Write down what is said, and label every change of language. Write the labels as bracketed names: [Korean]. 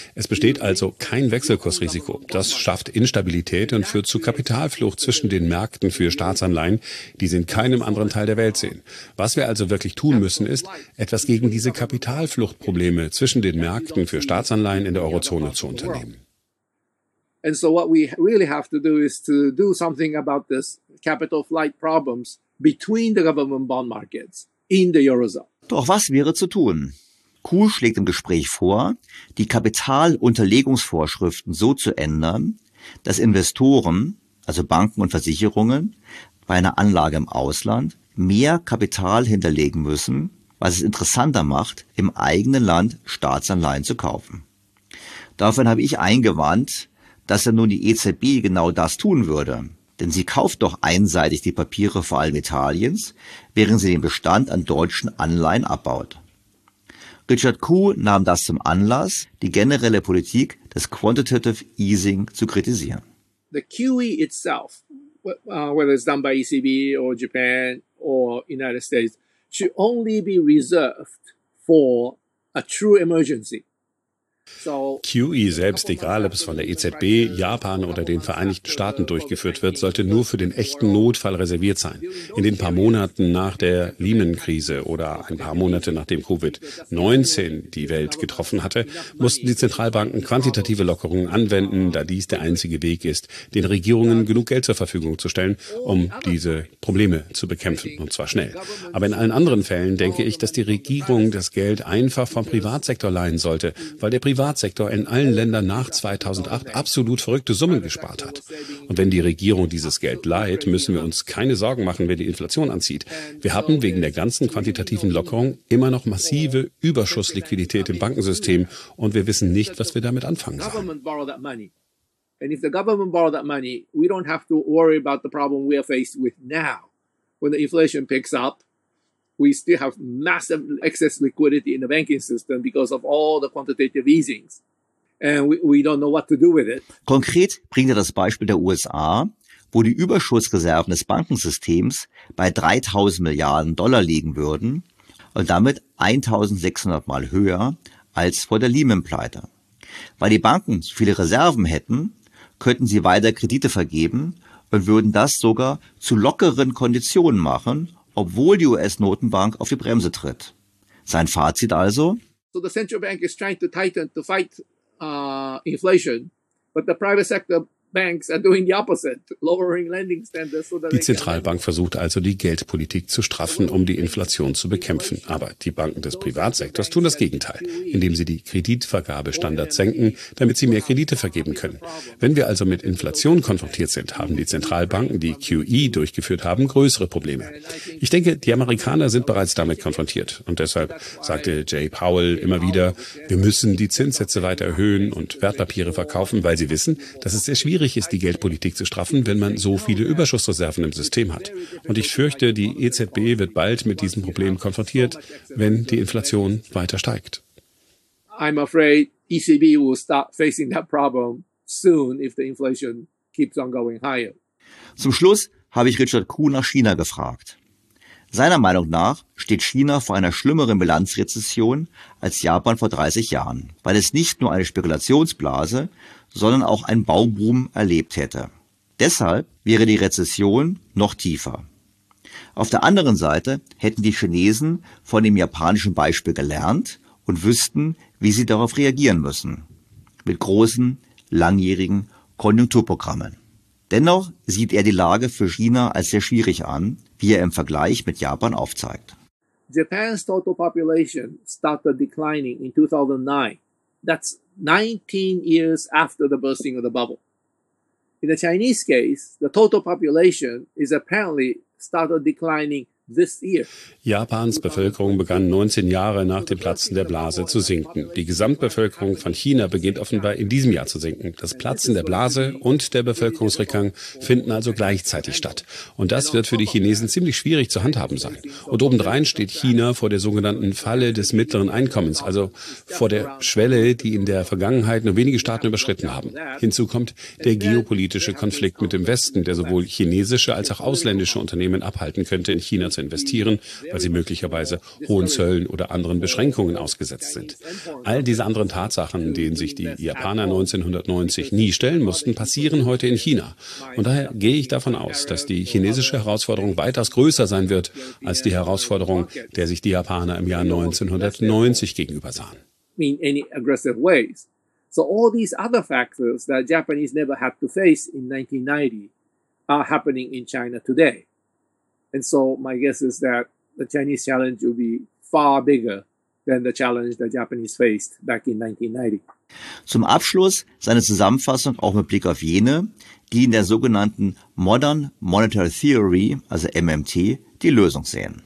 [German] Es besteht also kein Wechselkursrisiko. Das schafft Instabilität und führt zu Kapitalflucht zwischen den Märkten für Staatsanleihen, die sie in keinem anderen Teil der Welt sehen. Was wir also wirklich tun müssen, ist, etwas gegen diese Kapitalfluchtprobleme zwischen den Märkten für Staatsanleihen in der Eurozone zu unternehmen. [English] And so what we really have to do is to do something about this capital flight problems between the government bond markets in the Eurozone. [German] Doch was wäre zu tun? Kuhl schlägt im Gespräch vor, die Kapitalunterlegungsvorschriften so zu ändern, dass Investoren, also Banken und Versicherungen, bei einer Anlage im Ausland mehr Kapital hinterlegen müssen, was es interessanter macht, im eigenen Land Staatsanleihen zu kaufen. Davon habe ich eingewandt, dass ja nun die EZB genau das tun würde. Denn sie kauft doch einseitig die Papiere vor allem Italiens, während sie den Bestand an deutschen Anleihen abbaut. Richard Kuh nahm das zum Anlass, die generelle Politik des Quantitative Easing zu kritisieren. [English] The QE itself, whether it's done by ECB or Japan or United States, should only be reserved for a true emergency. [German] QE selbst, egal ob es von der EZB, Japan oder den Vereinigten Staaten durchgeführt wird, sollte nur für den echten Notfall reserviert sein. In den paar Monaten nach der Lehman-Krise oder ein paar Monate nachdem Covid-19 die Welt getroffen hatte, mussten die Zentralbanken quantitative Lockerungen anwenden, da dies der einzige Weg ist, den Regierungen genug Geld zur Verfügung zu stellen, um diese Probleme zu bekämpfen, und zwar schnell. Aber in allen anderen Fällen denke ich, dass die Regierung das Geld einfach vom Privatsektor leihen sollte, weil der Privatsektor in allen Ländern nach 2008 absolut verrückte Summen gespart hat. Und wenn die Regierung dieses Geld leiht, müssen wir uns keine Sorgen machen, wenn die Inflation anzieht. Wir haben wegen der ganzen quantitativen Lockerung immer noch massive Überschussliquidität im Bankensystem und wir wissen nicht, was wir damit anfangen sollen. [English] And if the government borrow that money, we don't have to worry about the problem we are faced with now. When the inflation picks up, we still have massive excess liquidity in the banking system because of all the quantitative easings. And we don't know what to do with it. [German] Konkret bringt er das Beispiel der USA, wo die Überschussreserven des Bankensystems bei 3.000 Milliarden Dollar liegen würden und damit 1.600 Mal höher als vor der Lehman-Pleite. Weil die Banken so viele Reserven hätten, könnten sie weiter Kredite vergeben und würden das sogar zu lockeren Konditionen machen, obwohl die US-Notenbank auf die Bremse tritt. Sein Fazit also? [English] So the central bank is trying to tighten to fight inflation, but the private sector banks are doing the opposite, lowering lending standards. [German] Die Zentralbank versucht also, die Geldpolitik zu straffen, um die Inflation zu bekämpfen. Aber die Banken des Privatsektors tun das Gegenteil, indem sie die Kreditvergabestandards senken, damit sie mehr Kredite vergeben können. Wenn wir also mit Inflation konfrontiert sind, haben die Zentralbanken, die QE durchgeführt haben, größere Probleme. Ich denke, die Amerikaner sind bereits damit konfrontiert. Und deshalb sagte Jay Powell immer wieder, wir müssen die Zinssätze weiter erhöhen und Wertpapiere verkaufen, weil sie wissen, dass es sehr schwierig ist, die Geldpolitik zu straffen, wenn man so viele Überschussreserven im System hat. Und ich fürchte, die EZB wird bald mit diesem Problem konfrontiert, wenn die Inflation weiter steigt. [English] I'm afraid ECB will start facing that problem soon if the inflation keeps on going higher. [German] Zum Schluss habe ich Richard Kuh nach China gefragt. Seiner Meinung nach steht China vor einer schlimmeren Bilanzrezession als Japan vor 30 Jahren, weil es nicht nur eine Spekulationsblase, sondern auch ein Bauboom erlebt hätte. Deshalb wäre die Rezession noch tiefer. Auf der anderen Seite hätten die Chinesen von dem japanischen Beispiel gelernt und wüssten, wie sie darauf reagieren müssen. Mit großen, langjährigen Konjunkturprogrammen. Dennoch sieht er die Lage für China als sehr schwierig an, wie er im Vergleich mit Japan aufzeigt. [English] Japan's total population started declining in 2009. That's 19 years after the bursting of the bubble. In the Chinese case, the total population is apparently started declining [German] Japans Bevölkerung begann 19 Jahre nach dem Platzen der Blase zu sinken. Die Gesamtbevölkerung von China beginnt offenbar in diesem Jahr zu sinken. Das Platzen der Blase und der Bevölkerungsrückgang finden also gleichzeitig statt. Und das wird für die Chinesen ziemlich schwierig zu handhaben sein. Und obendrein steht China vor der sogenannten Falle des mittleren Einkommens, also vor der Schwelle, die in der Vergangenheit nur wenige Staaten überschritten haben. Hinzu kommt der geopolitische Konflikt mit dem Westen, der sowohl chinesische als auch ausländische Unternehmen abhalten könnte, in China zu investieren, weil sie möglicherweise hohen Zöllen oder anderen Beschränkungen ausgesetzt sind. All diese anderen Tatsachen, denen sich die Japaner 1990 nie stellen mussten, passieren heute in China. Und daher gehe ich davon aus, dass die chinesische Herausforderung weitaus größer sein wird als die Herausforderung, der sich die Japaner im Jahr 1990 gegenüber sahen. [English] In any aggressive ways. So all these other factors that Japanese never had to face in 1990 are happening in China today. And so my guess is that the Chinese challenge will be far bigger than the challenge the Japanese faced back in 1990. [German] Zum Abschluss seine Zusammenfassung auch mit Blick auf jene, die in der sogenannten Modern Monetary Theory, also MMT, die Lösung sehen.